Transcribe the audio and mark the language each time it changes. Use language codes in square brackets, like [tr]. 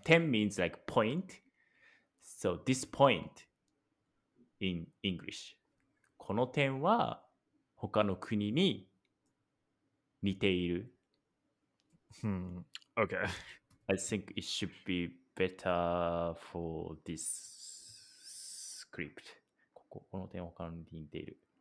[en] 点 means like point. So this point in English. [ja] この点は他の国に似ている。 [en] Hmm. Okay. I think it should be better for this script. [ja] この点は他の国に似ている。